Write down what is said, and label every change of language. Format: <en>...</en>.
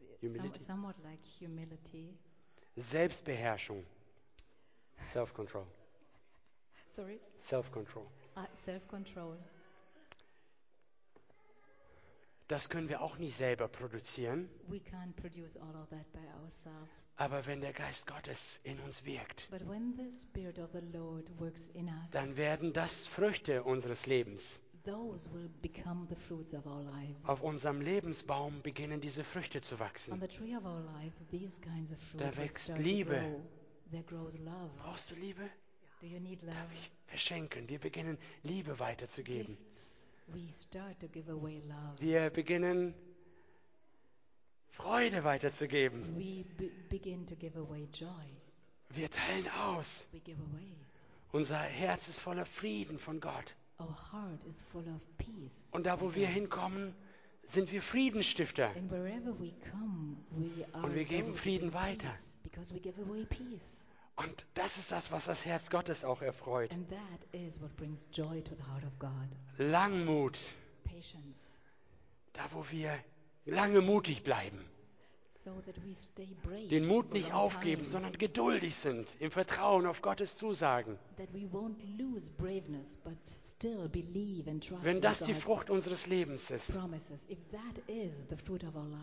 <en>Humility. Somewhat like humility.</en> <de>Selbstbeherrschung.</de> <en>Self-control. Sorry? Self-control. Self-control.</en> <de>Das können wir auch nicht selber produzieren.</de> <en>We can't produce all of that by ourselves.</en> <de>Aber wenn der Geist Gottes in uns wirkt,</de> <en>but when the Spirit of the Lord works in us,</en> <de>dann werden das Früchte unseres Lebens.</de> <en>Those will become the fruits of our lives.</en> <de>Auf unserem Lebensbaum beginnen diese Früchte zu wachsen.</de> <en>On the tree of our life, these kinds of fruit</en> <de>da wächst Liebe.</de> <en>There grows love.</en> <de>Brauchst du Liebe?</de> <en>Do you need love?</en> <de>Darf ich verschenken? Wir beginnen, Liebe weiterzugeben.</de> <en>Gifts. We start to give away love.</en> <de>Wir beginnen, Freude weiterzugeben.</de> <en>We begin to give away joy.</en> <de>Wir teilen aus.</de> <en>We give away.</en> <de>Unser Herz ist voller Frieden von Gott.</de> <en>Our heart is full of peace.</en> <de>Und da, wo wir hinkommen, sind wir Friedensstifter.</de> <en>And wherever we come, we are.</en> <de>Und wir geben Frieden weiter.</de> <en>Peace, because we give away peace.</en> <de>Und das ist das, was das Herz Gottes auch erfreut.</de> <en>And that is what brings joy to the heart of God.</en> <de>Langmut.</de> <en>Patience.</en> <de>Da, wo wir lange mutig bleiben.</de> <en>So that we stay brave.</en> <de>Den Mut nicht aufgeben, sondern geduldig sind, im Vertrauen auf Gottes Zusagen.</de> <en>That we won't lose braveness, but still believe and trust.</en> <de>Wenn das die Frucht unseres Lebens ist,</de> <en>promises, if that is the fruit of our life,</en>